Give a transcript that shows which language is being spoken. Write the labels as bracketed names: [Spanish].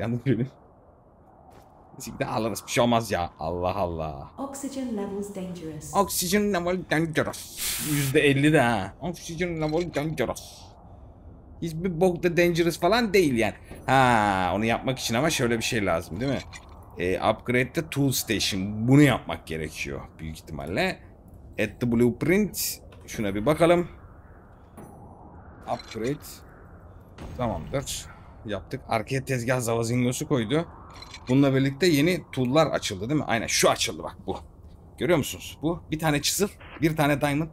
[Turkish] Yandım benim. Şimdi alırız. Bir şey olmaz ya. Allah Allah. [English] Oxygen levels dangerous. Oxygen level dangerous. [Turkish] %50 de ha. [English] Oxygen level dangerous. [Turkish] Hiçbir bok da dangerous falan değil yani. Ha, onu yapmak için ama şöyle bir şey lazım değil mi? [English] Upgrade the tool station. [Turkish] Bunu yapmak gerekiyor büyük ihtimalle. [English] At the blueprint. [Turkish] Şuna bir bakalım. Upgrade. Tamamdır. Yaptık. Arkaya tezgah zavazingosu koydu. Bununla birlikte yeni tool'lar açıldı değil mi? Aynen şu açıldı bak bu. Görüyor musunuz? Bu bir tane chisel, bir tane diamond.